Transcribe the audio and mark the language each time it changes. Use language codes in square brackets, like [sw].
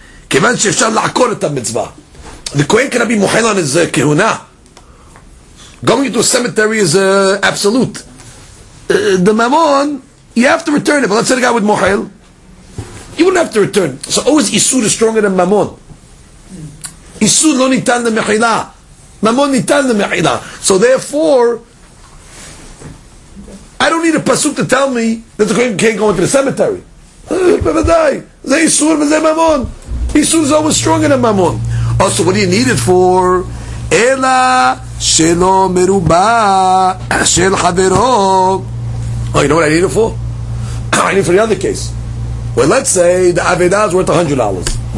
[he] כיוון שאפשר לעקור את המצווה. [en] The Kohen can be מוחל on his כהונה. Going to a cemetery is absolute. The Mammon, you have to return it. But let's say the guy with מוחל. You wouldn't have to return. So always איסור is stronger than Mammon. [he] איסור לא ניתן למחילה. Mammon ניתן למחילה. [en] So therefore, I don't need a pasuk to tell me that the Kohen can't go into the cemetery. [he] בוודאי, זה איסור וזה ממון. [en] איסור זה always stronger than ממון. Also, what do you need it for? אלא שלא מרובה של חברו. Oh, you know what I need it for? I need it for the other case. Well, let's say the Aveda is worth $100.